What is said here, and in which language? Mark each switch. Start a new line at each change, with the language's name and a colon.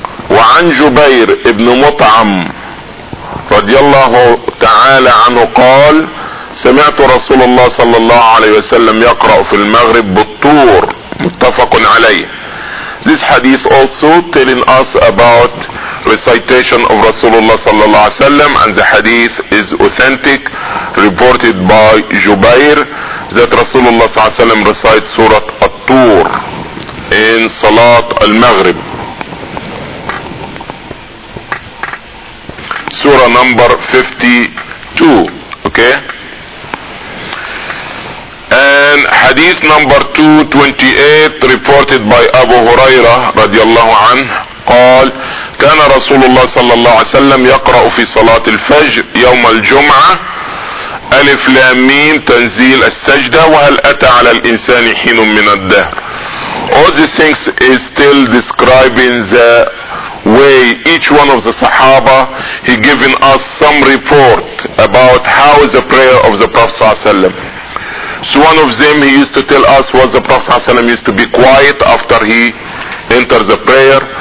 Arabic: وعن جبير ابن مطعم رضي الله تعالى عنه قال سمعت رسول الله صلى الله عليه وسلم يقرأ في المغرب بالطور. متفق عليه.
English: This hadith also telling us about recitation of Rasulullah sallallahu alaihi wasallam, and the hadith is authentic, reported by Jubair that Rasulullah sallallahu alaihi wasallam recites Surah At-Tur in Salat Al-Maghrib. Surah number 52, okay? And hadith number 228 reported by Abu Huraira radiallahu anhu,
Arabic: قال كان رسول الله صلى الله عليه وسلم يقرأ في صلاة الفجر يوم الجمعة ألف لام ميم تنزيل السجدة وهل أتى على الإنسان حين من الدهر.
English: All these things is still describing the way each one of the Sahaba, he giving us some report about how is the prayer of the Prophet
Arabic: صلى الله عليه وسلم.
English: So one of them, he used to tell us, was the Prophet ﷺ used to be quiet after he entered the prayer.